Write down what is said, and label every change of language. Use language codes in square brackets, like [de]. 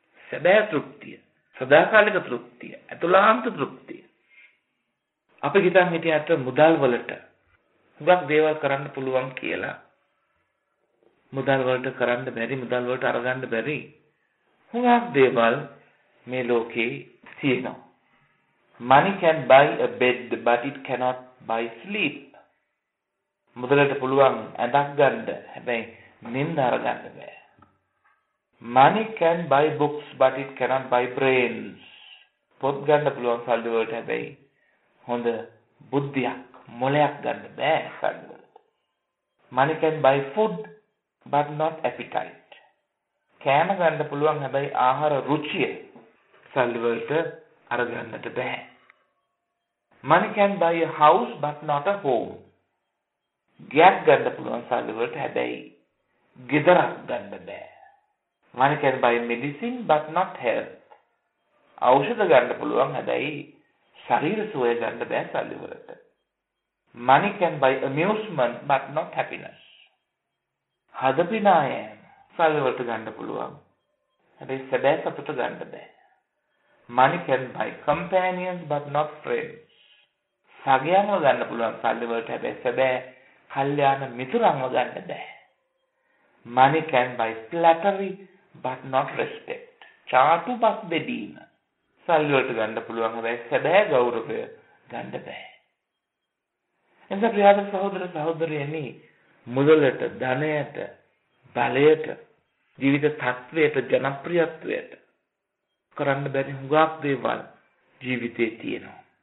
[si] සැබෑ තෘප්තිය, සදාකාලික තෘප්තිය, අතුලාන්ත තෘප්තිය. අපි හිතන් හිටියට මුදල් වලට හුඟක් දේවල් කරන්න පුළුවන් කියලා. මුදල් වලට කරන්න බැරි, මුදල් වලට අරගන්න බැරි හුඟක් දේවල් මේ ලෝකේ තියෙනවා. [en] Money can buy a bed, but it cannot buy sleep. [si] මුදලට පුළුවන් ඇඳක් ගන්න, හැබැයි නිින්ද අරගන්න බෑ. [en] Money can buy books, but it cannot buy brains. [si] පොත් ගන්න පුළුවන් සල්ලි වලට, හැබැයි හොඳ බුද්ධියක්, මොළයක් ගන්න බෑ සල්ලි වලට. [en] Money can buy food, but not appetite. [si] කෑම ගන්න පුළුවන්, හැබැයි ආහාර රුචිය සල්ලි වලට අරගන්නට බෑ. [en] Money can buy a house, but not a home. [si] ගෙයක් ගන්න පුළුවන් සල්ලි වලට, හැබැයි ගෙදරක් ගන්න බෑ. [en] Money can buy medicine but not health. [si] ඖෂධ ගන්න පුළුවන්, හැබැයි ශරීර සුවය ගන්න බෑ සල්ලි වලට. [en] Money can buy amusement but not happiness. [si] හදපිනාය සල්ලි වලට ගන්න පුළුවන්, හැබැයි සැබෑ සතුට ගන්න බෑ. [en] Money can buy companions but not friends. [si] සගයන්ව ගන්න පුළුවන් සල්ලි වලට, හැබැයි සැබෑ කල්යාණ මිතුරන්ව ගන්න බෑ. [en] Money can buy flattery but not respect. [si] චාටු බක් බෙදීම සල්ලි වලට ගන්න පුළුවන්, හැබැයි සැබෑ ගෞරවය ගන්න බෑ. එනිසා ප්‍රියද සහෝදර සහෝදරියනි, මුදලට, ධනයට, බලයට, ජීවිත තත්ත්වයට, ජනප්‍රියත්වයට කරන්න බැරි හුඟක් දේවල් ජීවිතේ තියෙනවා.